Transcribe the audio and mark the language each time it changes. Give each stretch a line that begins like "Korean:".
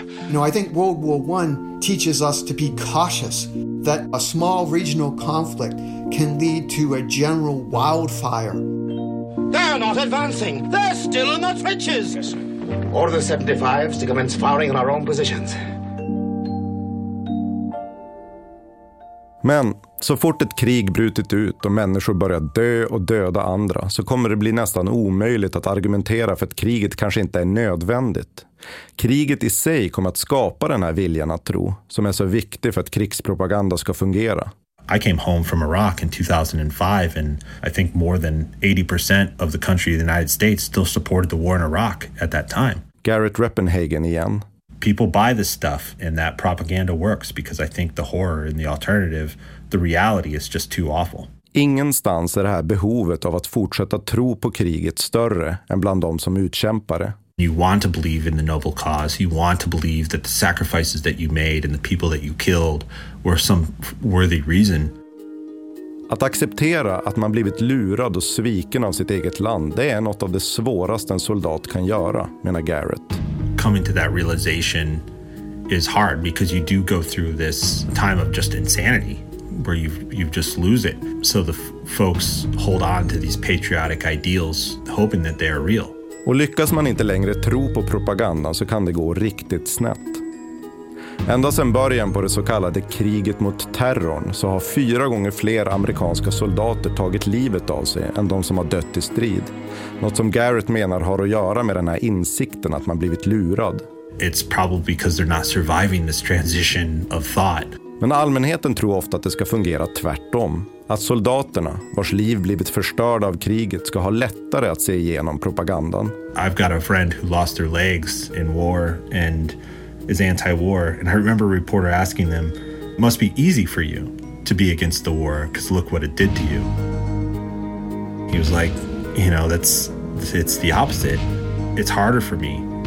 English: You know, I think World War I teaches us to be cautious, that a small regional conflict can lead to a general wildfire. They're not advancing. They're still in the trenches. Yes, sir. Order the 75s to commence firing on our own positions.
Swedish: Men så fort ett krig brutit ut och människor börjar dö och döda andra, så kommer det bli nästan omöjligt att argumentera för att kriget kanske inte är nödvändigt. Kriget i sig kommer att skapa den här viljan att tro, som är så viktig för att krigspropaganda ska fungera.
English: I came home from Iraq in 2005 and I think more than 80% of the country of the United States still supported the war in Iraq at that time.
Swedish: Garrett Reppenhagen igen.
English: People buy this stuff and that propaganda works because I think the horror and the alternative, the reality is just too awful.
Swedish: Ingenstans är det här behovet av att fortsätta tro på kriget större än bland de som utkämpar det.
English: You want to believe in the noble cause. You want to believe that the sacrifices that you made and the people that you killed were some worthy reason.
Swedish: Att acceptera att man blivit lurad och sviken av sitt eget land, det är något av det svåraste en soldat kan göra, menar Garrett.
English: Coming to that realization is hard because you do go through this time of just insanity where you just lose it. So the folks hold on to these patriotic ideals hoping that they are real.
Swedish: Och lyckas man inte längre tro på propagandan så kan det gå riktigt snett. Ända sedan början på det så kallade kriget mot terrorn så har 4 gånger fler amerikanska soldater tagit livet av sig än de som har dött i strid. Något som Garrett menar har att göra med den här insikten att man blivit lurad.
English: It's probably because they're not surviving this transition of thought.
Swedish: Men allmänheten tror ofta att det ska fungera tvärtom. Att soldaterna, vars liv blivit förstörda av kriget, ska ha lättare att se igenom propagandan.
English: I've got a friend who lost their legs in war and is anti-war, and I remember a reporter asking them, must be easy for you to be against the war because look what it did to you. He was like, you know, it's the opposite. It's harder for me.